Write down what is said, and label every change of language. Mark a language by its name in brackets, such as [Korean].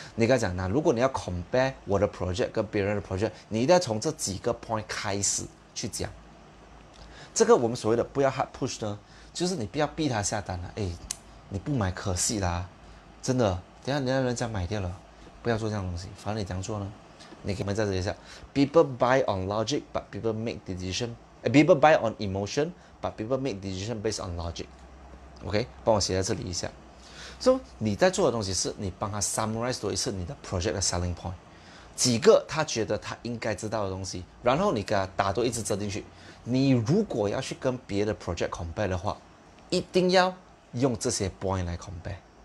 [Chinese] 你刚讲那如果你要 compare 我的 project 跟别人的 project， 你一定要从这几个 point 开始去讲。这个我们所谓的不要 hard push 呢，就是你不要逼他下单了，哎，你不买可惜啦，真的，等一下人家买掉了。不要做这样的东西，反正你怎样做呢？你可以再解释一下 [English] ：People buy on logic, but people make decision. People buy on emotion, but people make decision based on logic. [Chinese] OK， 帮我写在这里一下。So 你在做的东西是你帮他 summarize 多一次你的 project 的 selling point， 几个他觉得他应该知道的东西，然后你给他打多一支针进去。你如果要去跟别的 project compare 的话，一定要用这些 point 来 compare。